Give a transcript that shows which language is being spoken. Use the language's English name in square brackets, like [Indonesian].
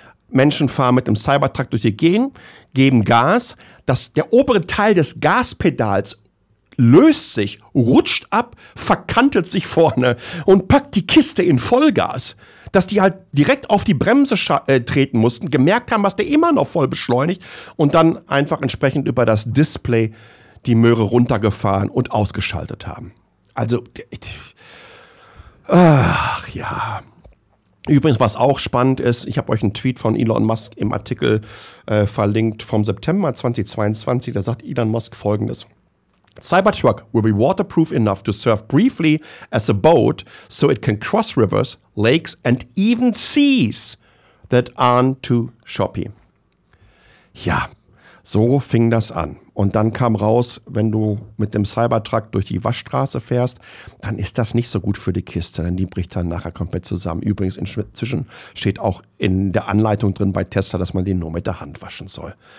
[German] Menschen fahren mit dem Cybertruck durch die Gegend, geben Gas, dass der obere Teil des Gaspedals löst sich, rutscht ab, verkantet sich vorne und packt die Kiste in Vollgas, dass die halt direkt auf die Bremse treten mussten, gemerkt haben, was der immer noch voll beschleunigt und dann einfach entsprechend über das Display die Möhre runtergefahren und ausgeschaltet haben. Also, ach ja. Übrigens, was auch spannend ist, ich habe euch einen Tweet von Elon Musk im Artikel verlinkt vom September 2022, da sagt Elon Musk Folgendes. [English] Cybertruck will be waterproof enough to serve briefly as a boat so it can cross rivers, lakes and even seas that aren't too choppy. [German] Ja, so fing das an. Und dann kam raus, wenn du mit dem Cybertruck durch die Waschstraße fährst, dann ist das nicht so gut für die Kiste, denn die bricht dann nachher komplett zusammen. Übrigens, inzwischen steht auch in der Anleitung drin bei Tesla, dass man den nur mit der Hand waschen soll.